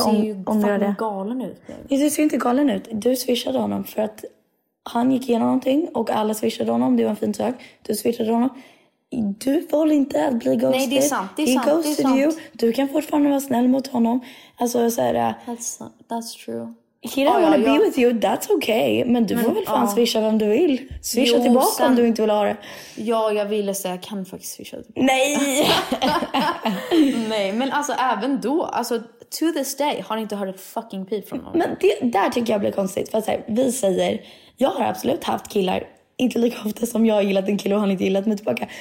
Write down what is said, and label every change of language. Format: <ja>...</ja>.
<sv>ser ju fucking galen ut. Nej, du ser inte galen ut. Du swishade honom för att han gick igenom någonting och alla swishade honom. Det var en fin sak. Du swishade honom. Du får inte att bli ghosted. Nej, det är sant. Det är</sv> <en>he</en> <sv>sant,</sv> <en>ghosted</en> <sv>det är sant.</sv> <en>You.</en> <sv>Du kan fortfarande vara snäll mot honom. Alltså, så här,</sv> <en>that's true. He don't want to be with you, that's okay.</en> <sv>Men du får väl fan swisha vem du vill. Swisha tillbaka sen, om du inte vill ha det. Ja, jag ville säga, jag kan faktiskt swisha tillbaka. Nej! Nej, men alltså även då, alltså</sv> <en>to this day,</en> <sv>har ni inte hört ett fucking pip från någon? Men det, där tycker jag blir konstigt. För att här, vi säger, jag har absolut haft killar, inte lika ofta som jag har gillat en kille och han inte gillat mig tillbaka.</sv>